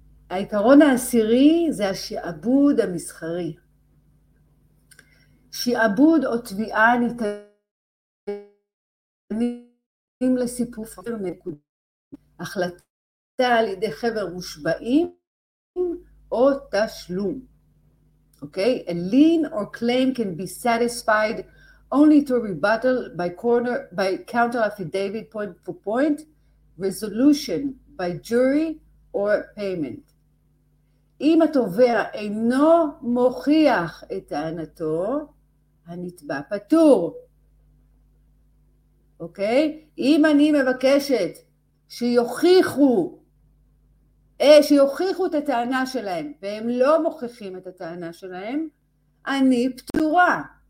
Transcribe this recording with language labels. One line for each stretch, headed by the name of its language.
Hebrew: העיקרון העשירי זה השעבוד המסחרי. שעבוד או תביעה ניתנים לסיפור נקודות. החלטה על ידי חבר מושבעים או תשלום.
English: Okay, a lien or claim can be satisfied only through rebuttal by counter affidavit point for point, resolution by jury or payment.
Hebrew: אם התובע אינו מוכיח את טענתו, הנתבע פטור. Okay, אם אני מבקשת שיוכיחו את הטענה שלהם, והם לא מוכיחים את הטענה שלהם, אני פטורה.